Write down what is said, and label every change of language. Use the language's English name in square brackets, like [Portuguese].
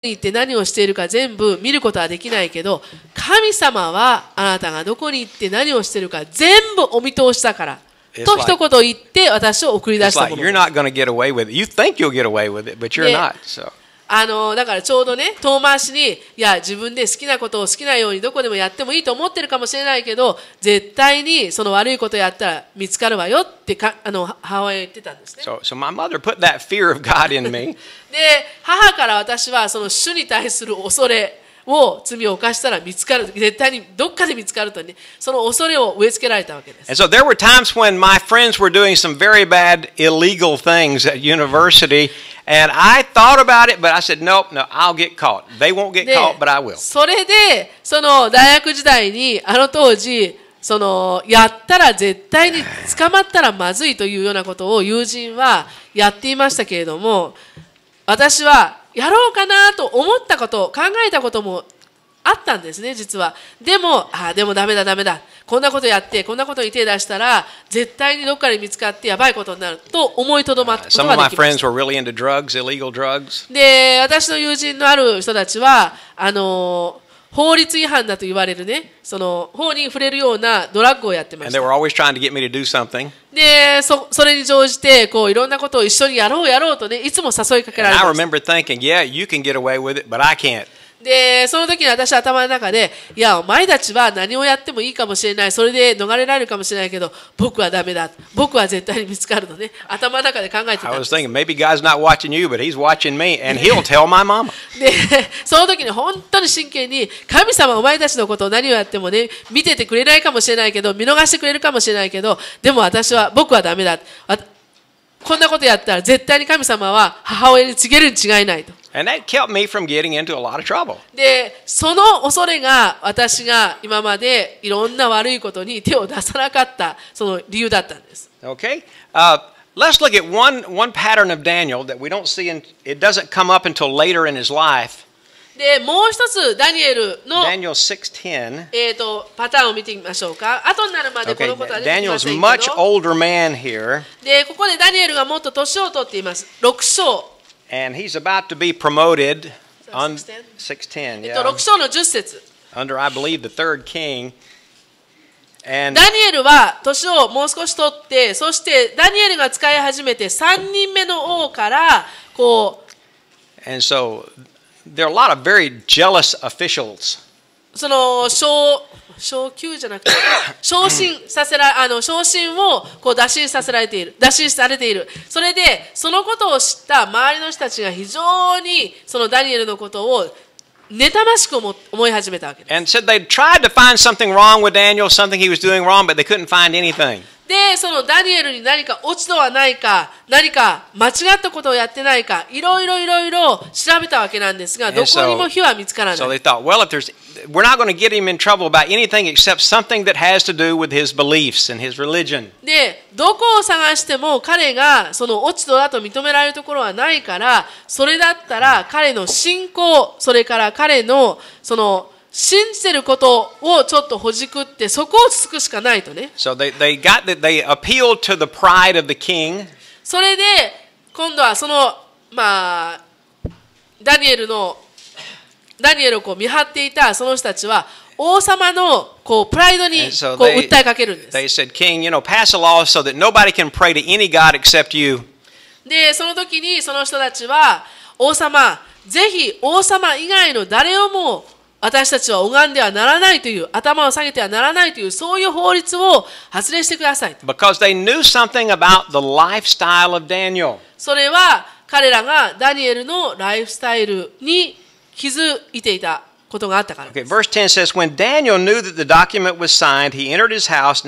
[Japanese] に行って何をしているか全部見ることはできないけど、神様はあなたがどこに行って何をしているか全部お見通しだからと一言言って私を送り出したもの。 [English] You're not going to get away with it. You think you'll get away with it, but you're not. So. [Japanese] だからちょうどね、遠回しに、いや、自分で好きなことを好きなようにどこでもやってもいいと思ってるかもしれないけど、絶対にその悪いことやったら見つかるわよってか、母親言ってたんですね。 [English] So my mother put that fear of God in me. [Japanese] で、母から私はその主に対する恐れを罪を犯したら見つかる、絶対にどっかで見つかるとね、その恐れを植え付けられたわけです。 [English] And so there were times when my friends were doing some very bad illegal things at university. And I thought about it, but I said, nope, no, I'll get caught. They won't get caught, but I will. [Japanese] それで、その大学時代に、あの当時、その、やったら絶対に捕まったらまずいというようなことを友人はやっていましたけれども、私はやろうかなと思ったこと、考えたこともあったんですね、実は。でも、ああ、でもダメだ、ダメだ。こんなことやって、こんなことに手出したら、絶対にどっかで見つかってやばいことになると思いとどまったことができました。 [English] Some of my friends were really into drugs, illegal drugs. [Japanese] で、私の友人のある人たちは、法律違反だと言われるね、その法に触れるようなドラッグをやってました。 [English] And they were always trying to get me to do something. [Japanese] で、それに乗じて、こう、いろんなことを一緒にやろうやろうとね、いつも誘いかけられました。 [English] And I remember thinking, yeah, you can get away with it, but I can't. [Japanese] でその時に私は頭の中で、いや、お前たちは何をやってもいいかもしれない、それで逃れられるかもしれないけど、僕はダメだ、僕は絶対に見つかるのね、頭の中で考えてたんです。 [English] I was thinking, maybe God's not watching you, but he's watching me, and he'll tell my mama. [Japanese] で、その時に本当に真剣に、神様、お前たちのことを何をやってもね、見ててくれないかもしれないけど、見逃してくれるかもしれないけど、でも私は、僕はダメだ、こんなことやったら絶対に神様は母親に告げるに違いないと。 [English] And that kept me from getting into a lot of trouble. [Japanese] で、その恐れが私が今までいろんな悪いことに手を出さなかったその理由だったんです。 [English] Okay. Let's look at one pattern of Daniel that we don't see in, it doesn't come up until later in his life. [Japanese] で、もう一つダニエルの [English] Daniel 6:10 [Japanese] パターンを見てみましょうか。後になるまでこのことは出てきませんけど。 [English] Daniel's much older man here. [Japanese] で、ここでダニエルがもっと年を取っています。 6章。 [English] And he's about to be promoted on 6:10. Yeah. [Japanese] 6章の10節。 [English] Under, I believe, the third king. And [Japanese] ダニエルは年をもう少し取って、そしてダニエルが使い始めて3人目の王からこう。 [English] And so there are a lot of very jealous officials. [Japanese] その昇級じゃなくて昇進させら昇進をこう打診させられている打診されている。それでそのことを知った周りの人たちが非常にそのダニエルのことを妬ましく思い始めたわけです。 [English] And said they tried to find something wrong with Daniel, something he was doing wrong, but they couldn't find anything. [Japanese] でそのダニエルに何か落ち度はないか、何か間違ったことをやってないか、いろいろいろいろ調べたわけなんですが、どこにも火は見つからない。 [English] So they thought, well, if there'sWe're not going to get him in trouble about anything except something that has to do with his beliefs and his religion. [Japanese] で、どこを探しても彼がその落ち度だと認められるところはないから、それだったら彼の信仰、それから彼のその信じてることをちょっとほじくって、そこをつつくしかないとね。 [English] So they got that they appealed to the pride of the king. [Japanese] それで、今度はその、まあ、ダニエルのダニエルをこう見張っていたその人たちは王様のこうプライドにこう訴えかけるんです。 [English] They said, King, you know, pass a law so that nobody can pray to any god except you. [Japanese] で、その時にその人たちは王様、ぜひ王様以外の誰をも私たちは拝んではならないという、頭を下げてはならないという、そういう法律を発令してください。 [English] Because they knew something about the lifestyle of Daniel. [Japanese] それは彼らがダニエルのライフスタイルに気づいていたことがあったからです。 [English] Okay, verse 10 says, When Daniel knew that the document was signed, he entered his house.